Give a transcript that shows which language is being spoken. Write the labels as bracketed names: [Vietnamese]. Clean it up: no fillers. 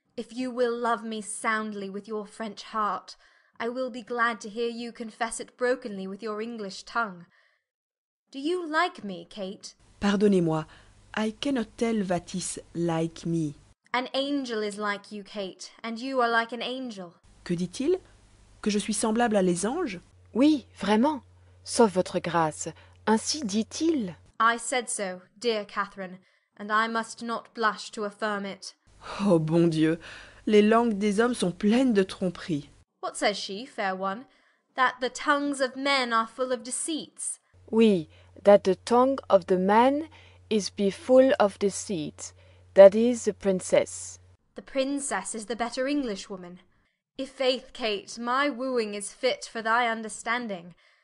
[English] If you will love me soundly with your French heart, I will be glad to hear you confess it brokenly with your English tongue. Do you like me, Kate? [French] Pardonnez-moi, [English] I cannot tell what is like me. An angel is like you, Kate, and you are like an angel. [French] Que dit-il? Que je suis semblable à les anges? Oui, vraiment, sauf votre grâce, ainsi dit-il. [English] I said so, dear Catherine, and I must not blush to affirm it. [French] Oh, bon Dieu, les langues des hommes sont pleines de tromperies. [English] What says she, fair one, that the tongues of men are full of deceits? Oui, that the tongue of the man is be full of deceits, that is, the princess. The princess is the better Englishwoman. If faith, Kate, my wooing is fit for thy understanding.